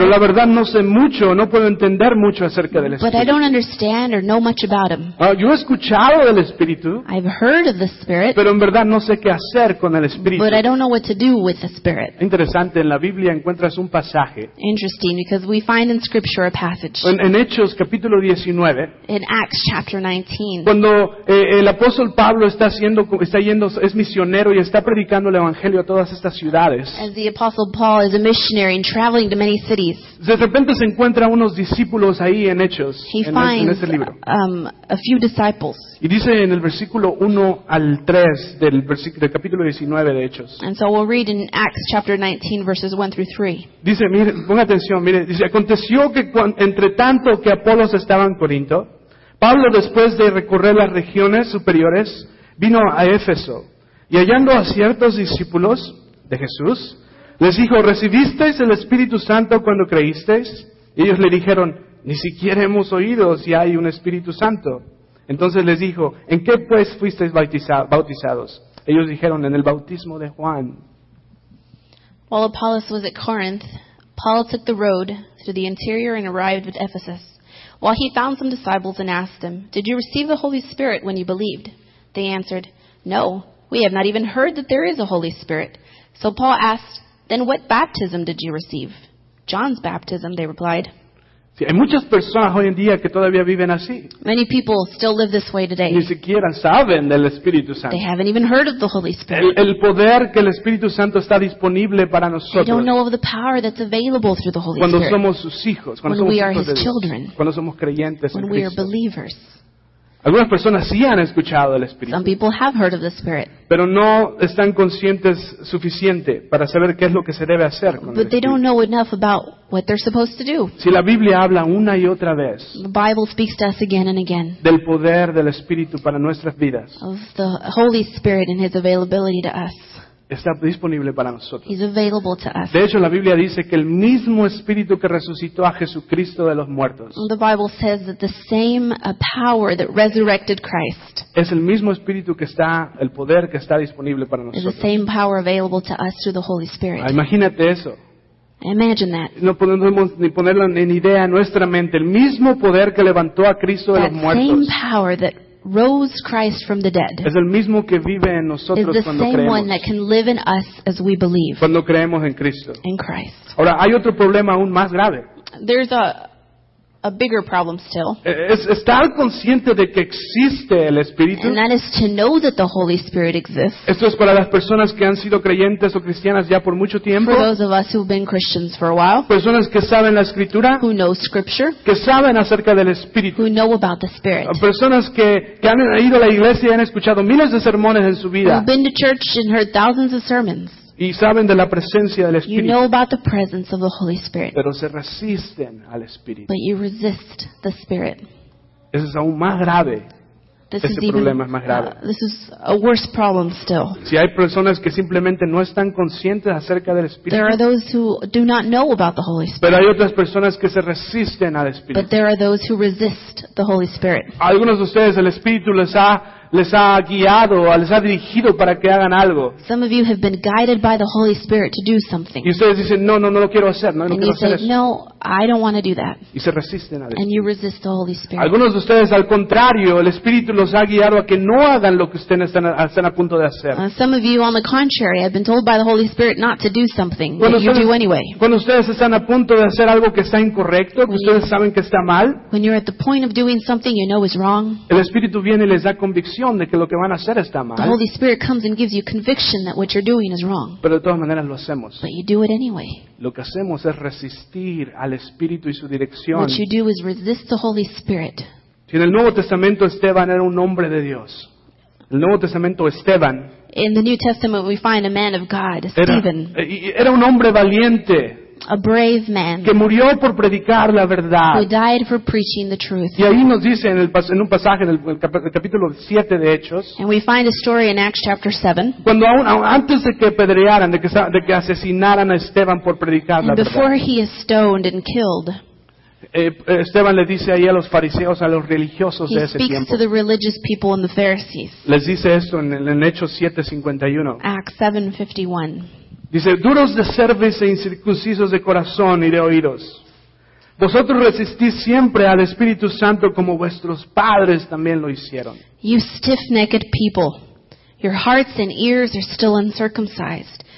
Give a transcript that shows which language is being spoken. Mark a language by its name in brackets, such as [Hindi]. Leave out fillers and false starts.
[Spanish] Pero la verdad no sé mucho, no puedo entender mucho acerca del Espíritu. [English] But I don't understand or know much about Him. [Spanish] Yo he escuchado del Espíritu. [English] I've heard of the Spirit. [Spanish] Pero en verdad no sé qué hacer con el Espíritu. [English] But I don't know what to do with the Spirit. [Spanish] Interesante, en la Biblia encuentras un pasaje. [English] Interesting. Because we find in Scripture a passage. [Spanish] En Hechos capítulo 19. [English] In Acts chapter 19. [Spanish] Cuando el apóstol Pablo es misionero y está predicando el evangelio a todas estas ciudades. [English] As the apostle Paul is a missionary and traveling to many cities. [Spanish] De repente se encuentra unos discípulos ahí en Hechos. [English] He finds [Spanish] este libro. [English] A few disciples. [Spanish] Y dice en el versículo 1 al 3 del capítulo 19 de Hechos. [English] And so we'll read in Acts chapter 19 verses 1 through 3. [Spanish] Dice, mire, ponga atención. Mire, dice, aconteció que entre tanto que Apolos estaba en Corinto, Pablo, después de recorrer las regiones superiores, vino a Éfeso, y hallando a ciertos discípulos de Jesús, les dijo, ¿recibisteis el Espíritu Santo cuando creísteis? Y ellos le dijeron, ni siquiera hemos oído si hay un Espíritu Santo. Entonces les dijo, ¿en qué pues fuisteis bautizados? Ellos dijeron, en el bautismo de Juan. [English] While Apollos was at Corinth, Paul took the road through the interior and arrived at Ephesus. While he found some disciples and asked them, did you receive the Holy Spirit when you believed? They answered, no, we have not even heard that there is a Holy Spirit. So Paul asked, then what baptism did you receive? John's baptism, they replied. [Spanish] Sí, hay muchas personas hoy en día que todavía viven así. [English] Many people still live this way today. [Spanish] Ni siquiera saben del Espíritu Santo. [English] They haven't even heard of the Holy Spirit. [Spanish] El poder que el Espíritu Santo está disponible para nosotros. [English] They don't know of the power that's available through the Holy [Spanish] cuando [English] Spirit. [Spanish] Cuando somos sus hijos, cuando [English] when we are [Spanish] hijos [English] his [Spanish] de Dios, [English] children. [Spanish] Cuando somos creyentes [English] when [Spanish] en [English] we [Spanish] Cristo. [English] Are believers. [Spanish] Algunas personas sí han escuchado del Espíritu. [English] Some people have heard of the Spirit. [Spanish] Pero no están conscientes suficiente para saber qué es lo que se debe hacer con el Espíritu. [English] But they don't know enough about what they're supposed to do. [Spanish] Si la Biblia habla una y otra vez. [English] The Bible speaks to us again and again. [Spanish] Del poder del Espíritu para nuestras vidas. [English] Of the Holy Spirit and His availability to us. [Spanish] Está disponible para nosotros. [English] He's available to us. [Spanish] De hecho, la Biblia dice que el mismo Espíritu que resucitó a Jesucristo de los muertos. [English] The Bible says that the same power that resurrected Christ. [Spanish] Es el mismo Espíritu que está, el poder que está disponible para nosotros. [English] Is the same power available to us through the Holy Spirit. [Spanish] Imagínate eso. [English] Imagine that. [Spanish] No podemos ni ponerlo en idea en nuestra mente. El mismo poder que levantó a Cristo de los muertos. [English] That same power that rose Christ from the dead. [Spanish] Es el mismo que vive en nosotros cuando creemos. [English] Is the same one that can live in us as we believe. [Spanish] Cuando creemos en Cristo. [English] In Christ. [Spanish] Ahora, hay otro problema aún más grave. [English] There's a a bigger problem still. [Spanish] Es estar consciente de que existe el Espíritu. [English] And that is to know that the Holy Spirit exists. [Spanish] Esto es para las personas que han sido creyentes o cristianas ya por mucho tiempo. [English] For those of us who've been Christians for a while. [Spanish] Personas que saben la Escritura. [English] Who know Scripture. [Spanish] Que saben acerca del Espíritu. [English] Who know about the Spirit. [Spanish] Personas que han ido a la iglesia y han escuchado miles de sermones en su vida. [English] Who've been to church and heard thousands of sermons. [Spanish] Y saben de la presencia del Espíritu. [English] You know about the presence of the Holy Spirit. [Spanish] Pero se resisten al Espíritu. [English] But you resist the Spirit. [Spanish] Eso es aún más grave. [English] This is a worse problem still. [Spanish] Si hay personas que simplemente no están conscientes acerca del Espíritu. [English] There are those who do not know about the Holy Spirit. [Spanish] Pero hay otras personas que se resisten al Espíritu. [English] But there are those who resist the Holy Spirit. [Spanish] Algunos de ustedes el Espíritu les ha guiado, les ha dirigido para que hagan algo. [English] Some of you have been guided by the Holy Spirit to do something. [Spanish] Y ustedes dicen, no lo quiero hacer, no lo quiero hacer. [English] And you say, no, I don't want to do that. [Spanish] Y se resisten a Dios. [English] And you resist the Holy Spirit. [Spanish] Algunos de ustedes, al contrario, el Espíritu los ha guiado a que no hagan lo que ustedes están a punto de hacer. [English] Some of you, on the contrary, have been told by the Holy Spirit not to do something that you do anyway. [Spanish] Cuando ustedes están a punto de hacer algo que está incorrecto, que ustedes saben que está mal. [English] When you're at the point of doing something you know is wrong. [Spanish] El Espíritu viene y les da convicción de que lo que van a hacer está mal. [English] The Holy Spirit comes and gives you conviction that what you're doing is wrong. [Spanish] Pero de todas maneras lo hacemos. [English] But you do it anyway. [Spanish] Lo que hacemos es resistir al Espíritu y su dirección. [English] What you do is resist the Holy Spirit. [Spanish] Si en el Nuevo Testamento Esteban era un hombre de Dios. El Nuevo Testamento Esteban. [English] In the New Testament we find a man of God, Stephen. [Spanish] Era un hombre valiente. [English] A brave man [Spanish] que murió por predicar la verdad. [English] Who died for preaching the truth. [Spanish] Y ahí nos dice en un pasaje en el capítulo 7 de Hechos. [English] And we find a story in Acts chapter 7. [Spanish] Cuando aún antes de que apedrearan, de que asesinaran a Esteban por predicar la [English] before [Spanish] verdad. [English] Before he is stoned and killed. [Spanish] Esteban le dice ahí a los fariseos, a los religiosos de ese tiempo. [English] He speaks to the religious people and the Pharisees. [Spanish] Les dice esto en Hechos 7:51. [English] Acts 7:51. [Spanish] Dice, duros de cerviz e incircuncisos de corazón y de oídos. Vosotros resistís siempre al Espíritu Santo como vuestros padres también lo hicieron. [English] You stiff-necked people. Your hearts and ears are still uncircumcised.